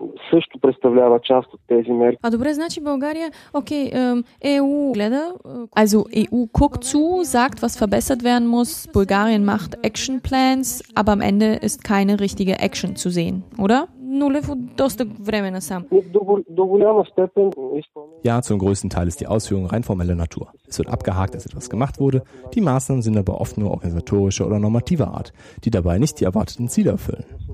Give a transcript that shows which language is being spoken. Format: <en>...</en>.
<bg>Също представлява част от тези мерки. А добре, значи България, окей, EU гледа,</bg> <de>also EU guckt zu, sagt, was verbessert werden muss. Bulgarien macht action plans, aber am Ende ist keine richtige action zu sehen, oder?</de> <bg>Нулев от доста време насам. До голяма степен.</bg> <de>Ja, zum größten Teil ist die Ausführung rein formeller Natur. Es wird abgehakt, dass etwas gemacht wurde. Die Maßnahmen sind aber oft nur organisatorischer oder normativer Art, die dabei nicht die erwarteten Ziele erfüllen.</de>